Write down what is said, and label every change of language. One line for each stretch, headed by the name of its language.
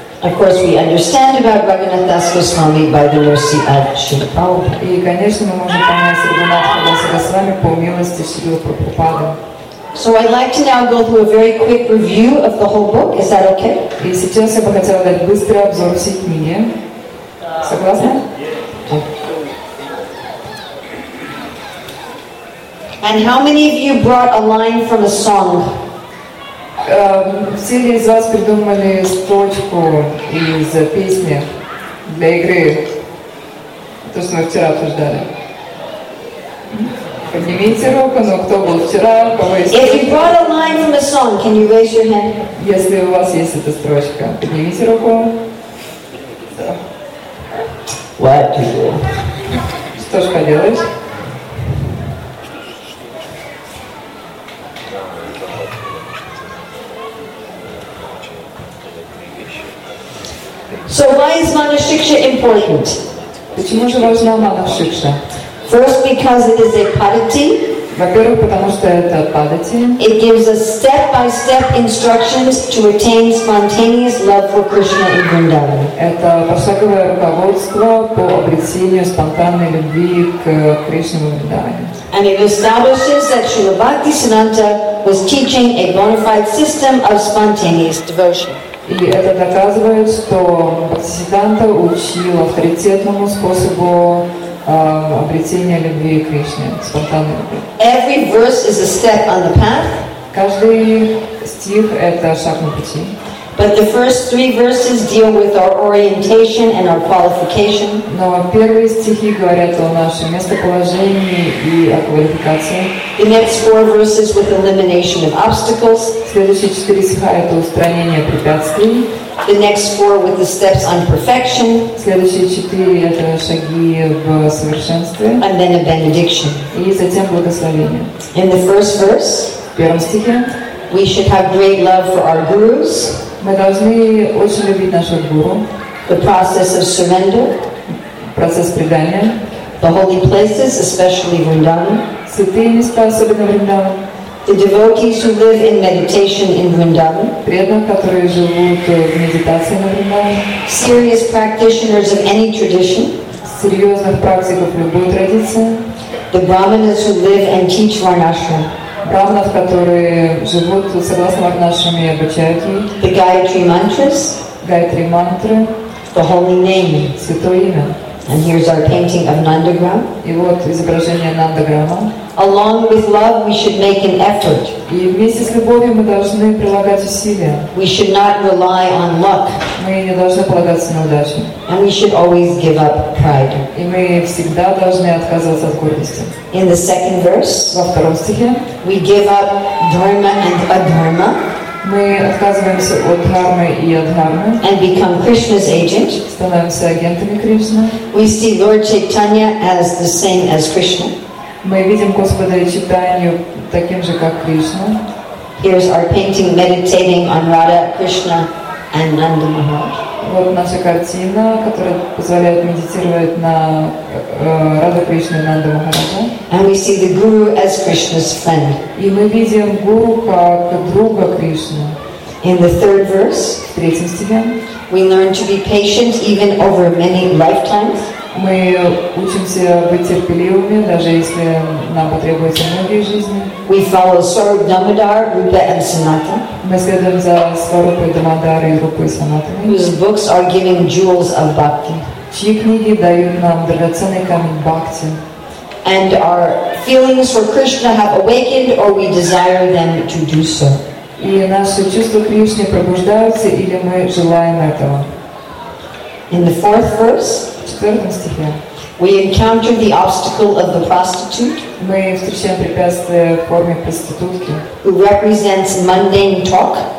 English: Of course, we understand about Raghunath Das Goswami by the mercy of Srila Prabhupada.
Russian: И, конечно, мы можем понять Раганат Хадаса Госвами по милости Шрилы Прабхупады.
English: So I'd like to now go through a very quick review of the whole book. Is that okay?
Russian: И сейчас я бы хотела дать быстрый обзор всей книги. Согласны?
English: And how many of you brought a line from a song?
Russian: Все ли из вас придумали строчку из песни для игры? То, что мы вчера обсуждали. Поднимите руку, но кто был вчера, кого есть?
English: If you brought a line from a song, can you raise your hand?
Russian: Если у вас есть эта строчка, поднимите руку.
English: What do you do?
Russian: Что ж поделаешь?
English: So why is Manushiksha important?
Russian: Почему же важна Манушикша?
English: First, because it is a padati.
Russian: Во-первых, потому что это падати.
English: It gives us step-by-step instructions to attain spontaneous love for Krishna in Vrindavan.
Russian: Это пошаговое руководство по обретению спонтанной любви к Кришне в Вриндаване.
English: And it establishes that Srila Bhakti Siddhanta was teaching a bona fide system of spontaneous devotion.
Russian: И это доказывает, что Бхактисиддханта учил авторитетному способу обретения любви к Кришне, спонтанной любви.
English: Every verse is a step on the path.
Russian: Каждый стих — это шаг на пути.
English: But the first three verses deal with our orientation and our qualification.
Russian: Но первые стихи говорят о нашем местоположении и о квалификации.
English: The next four verses with elimination of obstacles.
Russian: Следующие четыре стиха — это устранение препятствий.
English: The next four with the steps on perfection.
Russian: Следующие четыре — это шаги в совершенстве.
English: And then a benediction.
Russian: И затем благословение.
English: In the first verse,
Russian: в первом стихе,
English: we should have great love for our gurus.
Russian: Мы должны очень любить нашего гуру.
English: The process of surrender.
Russian: Процесс предания.
English: The holy places, especially Vrindavan.
Russian: Святые места, особенно Вриндаван.
English: The devotees who live in meditation in Vrindavan.
Russian: Преданные, которые живут в медитации на Вриндаване.
English: Serious practitioners of any tradition.
Russian: Серьезных практиков любой традиции.
English: The brahmanas who live and teach Varnashram.
Russian: Брахманов, которые живут согласно Варнашраме и Бачарьи.
English: The Gayatri Mantras. Gayatri Mantra. The holy name.
Russian: Святое имя.
English: And here's our painting of Nandagram.
Russian: И вот изображение Нандаграма.
English: Along with love, we should make an effort.
Russian: И вместе с любовью мы должны прилагать усилия.
English: We should not rely on luck.
Russian: Мы не должны полагаться на удачу.
English: And we should always give up pride.
Russian: И мы всегда должны отказываться от гордости.
English: In the second verse,
Russian: во втором стихе,
English: we give up dharma and adharma.
Russian: Мы отказываемся от дхармы и адхармы.
English: And become Krishna's agent.
Russian: Становимся агентами Кришны.
English: We see Lord Chaitanya as the same as Krishna.
Russian: Мы видим Господа Чайтанью таким же, как Кришна.
English: Here's our painting meditating on Radha, Krishna, and Nanda Maharaj.
Russian: Вот наша картина, которая позволяет медитировать на Радха, Кришне и Нанда Махараджа.
English: And we see the Guru as Krishna's friend.
Russian: И мы видим Гуру как друга Кришны.
English: In the third verse,
Russian: в третьем стихе,
English: we learn to be patient even over many lifetimes.
Russian: Мы учимся быть терпеливыми, даже если нам потребуется многие жизни.
English: We follow Swarup Damodar, Rupa, and Sanatana. Whose books are giving jewels of bhakti.
Russian: Чьи книги дают нам драгоценный камень бхакти.
English: And our feelings for Krishna have awakened, or we desire them to do so.
Russian: И наши чувства Кришне пробуждаются, или мы желаем этого.
English: In the fourth verse,
Russian: в четвертом стихе,
English: we encounter the obstacle of the prostitute,
Russian: мы встречаем препятствие в форме проститутки,
English: who represents mundane talk,